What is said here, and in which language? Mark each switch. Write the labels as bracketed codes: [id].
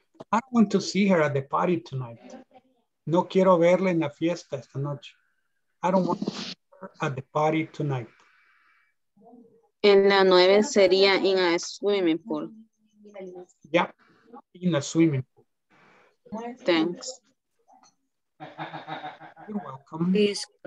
[en] I don't want to see her at the party tonight. [es] No quiero verla en la fiesta esta noche. [en] I don't want to see her at the party tonight. [es] En la 9 sería [en] in a swimming pool. Yep, yeah, in a swimming pool. Thanks. You're welcome. Please,